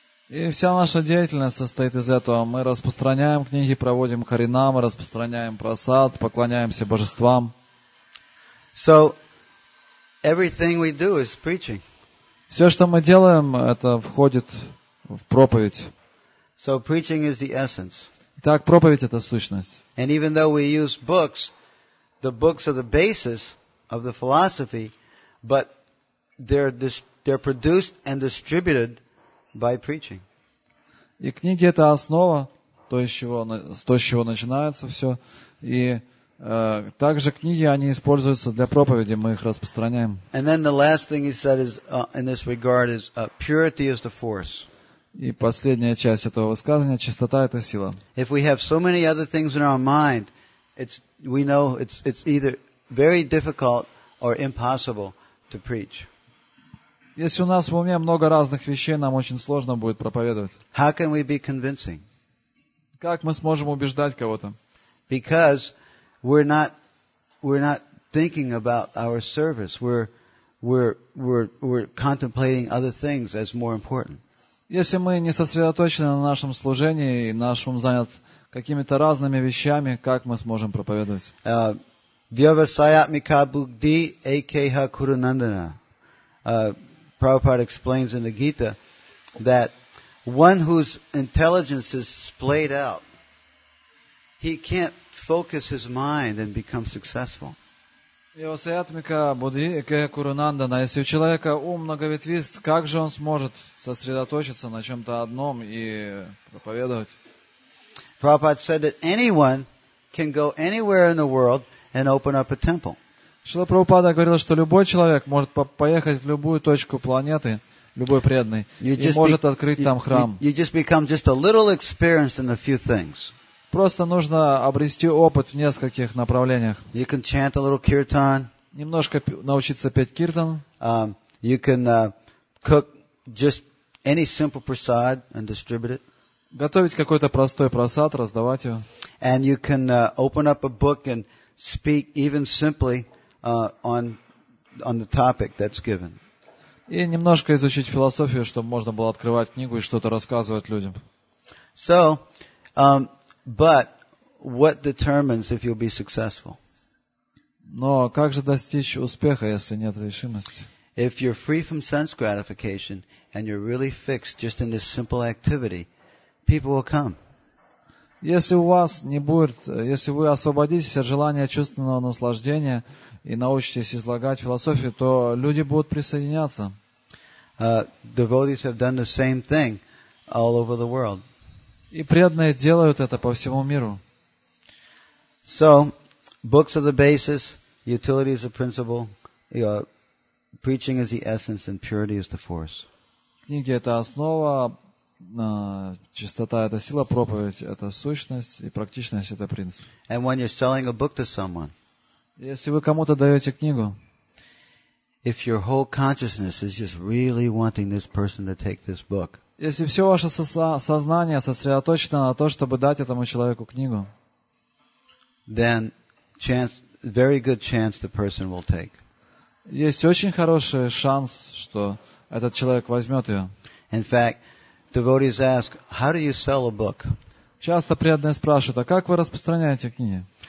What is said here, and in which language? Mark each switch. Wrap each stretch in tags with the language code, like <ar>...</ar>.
<ru>И вся наша деятельность состоит из этого. Мы распространяем книги, проводим харинамы, распространяем прасад, поклоняемся божествам.</ru> <en>So, everything we do is preaching.</en> <ru>Все, что мы делаем, это входит в проповедь.</ru> <en>So, preaching is the essence.</en> <ru>Итак, проповедь — это сущность.</ru> <en>And even though we use books, the books are the basis of the philosophy, but they're produced and distributed by preaching.</en> <ru>И книги — это основа, с чего начинается все. И также книги, они используются для проповеди, мы их распространяем.</ru> <en>And then the last thing he said is, in this regard is, purity is the force.</en> <ru>И последняя часть этого высказывания — чистота — это сила.</ru> <en>If we have so many other things in our mind, we know it's either very difficult or impossible to preach.</en> <ru>Если у нас в уме много разных вещей, нам очень сложно будет проповедовать.</ru> <en>How can we be convincing?</en> <ru>Как мы сможем убеждать кого-то?</ru> <en>Because we're not thinking about our service. We're contemplating other things as more important.</en> <ru>Если мы не сосредоточены на нашем служении и наш ум занят какими-то разными вещами, как мы сможем проповедовать?</ru> <sa>Vyavasayatmika bukdi akeha kurunandana.</sa> <en>Prabhupada explains in the Gita that one whose intelligence is splayed out, he can't focus his mind and become successful.</en> <sa>Vyavasayatmika bukdi akeha kurunandana.</sa> <ru>Если у человека ум многоветвист, как же он сможет сосредоточиться на чем-то одном и проповедовать?</ru> <en>Prabhupada said that anyone can go anywhere in the world and open up a temple.</en> <ru>Шрила Прабхупада говорил, что любой человек может поехать в любую точку планеты, любой преданный, и может открыть там храм.</ru> <en>You just become just a little experienced in a few things.</en> <ru>Просто нужно обрести опыт в нескольких направлениях.</ru> <en>You can chant a little kirtan.</en> <ru>Немножко научиться петь киртан.</ru> <en>You can cook just any simple prasad and distribute it.</en> <ru>Готовить какой-то простой просад, раздавать его.</ru> <en>And you can open up a book and speak even simply on the topic that's given.</en> <ru>И немножко изучить философию, чтобы можно было открывать книгу и что-то рассказывать людям.</ru> <en>So, but what determines if you'll be successful?</en> <ru>Но как же достичь успеха, если нет решимости?</ru> <en>If you're free from sense gratification and you're really fixed just in this simple activity, people will come.</en> <ru>Если у вас не будет, если вы освободитесь от желания чувственного наслаждения и научитесь излагать философию, то люди будут присоединяться.</ru> <en>Devotees have done the same thing all over the world.</en> <ru>И преданные делают это по всему миру.</ru> <en>So, books are the basis, utility is the principle, Preaching is the essence and purity is the force.</en> <ru>Книги — это основа, чистота — это сила, проповедь — это сущность, и практичность — это принцип.</ru> <en>And when you're selling a book to someone,</en> <ru>если вы кому-то даете книгу,</ru> <en>if your whole consciousness is just really wanting this person to take this book,</en> <ru>если все ваше сознание сосредоточено на то, чтобы дать этому человеку книгу,</ru> <en>then chance, very good chance the person will take.</en> <ru>Есть очень хороший шанс, что этот человек возьмет ее.</ru> <en>In fact, devotees ask, how do you sell a book?</en> <ru>Часто преданные спрашивают, а как вы распространяете книги?</ru>